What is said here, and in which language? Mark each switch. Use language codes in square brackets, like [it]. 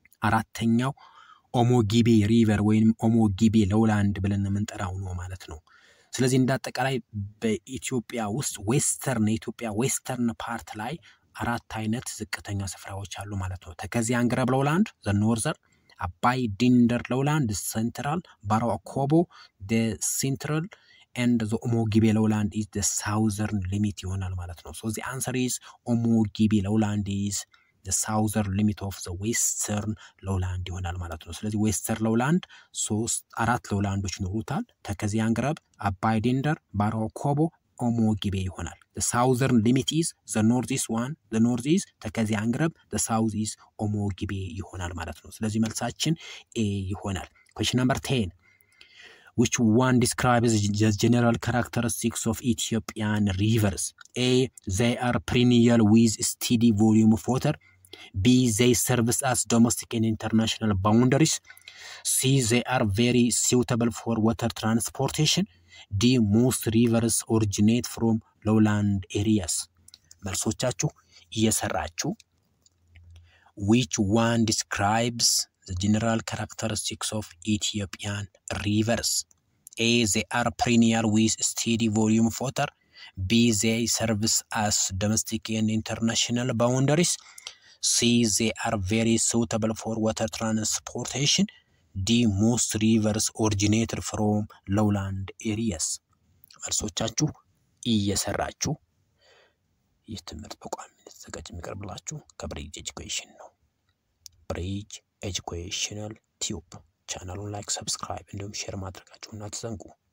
[am] አራተኛው ኦሞጊቤ ሪቨር ወይንም ኦሞጊቤ ሎላንድ ብለን እንጠራው ነው ማለት ነው ስለዚህ እንዳጠቃላይ በኢትዮጵያ ውስጥ ዌስተርን ኢትዮጵያ ዌስተርን ፓርት ላይ አራት አይነት ዝቅተኛ ስፍራዎች አሉ ማለት ነው ተከዚ አንግረብ ሎላንድ ዘ ኖርዘር አባይ ዲንደር ሎላንድ ሴንትራል ባሮ አኮቦ ዘ ሴንትራል ኤንድ ዘ ኦሞጊቤ ሎላንድ ኢዝ ዘ ሳውዘርን ሊሚት ይሆናል ማለት ነው [en] ሶ ዘ አንሰር ኢዝ ኦሞጊቤ ሎላንድ ኢዝ the southern limit of the western lowland [am] ይሆናል ማለት ነው። ስለዚህ [en] western lowland 3 4 lowlands ኖሩታል። ተከዚያን ግራብ አባይ ዴንደር ባሮኮቦ ኦሞጊቤ ይሆናል። The southern limit is the northeast one. The northeast ተከዚያን ግራብ the south is ኦሞጊቤ [am] ይሆናል ማለት ነው። ስለዚህ መልሳችን ኤ ይሆናል። [en] Question number 10. Which one describes the general characteristics of Ethiopian rivers? A. They are perennial with steady volume of water. B. They serve as domestic and international boundaries. C. They are very suitable for water transportation. D. Most rivers originate from lowland areas. [am] መልሶቻችሁ እየሰራችሁ [en] Which one describes the general characteristics of Ethiopian rivers? A. They are perennial with steady volume of water. B. They serve as domestic and international boundaries. C. They are very suitable for water transportation. D. Most rivers originate from lowland areas. [am] መልሶቻችሁ እየሰራችሁ ይህ ትምህርት በቋሚነት ተዘጋጅ የሚቀርብላችሁ ከብሪጅ ኤጁኬሽን ነው። ብሪጅ ኤጁኬሽናል ቲዩብ ቻናሉን ላይክ ሰብስክራይብ እንዲሁም ሼር ማድረጋችሁን አትዘንጉ።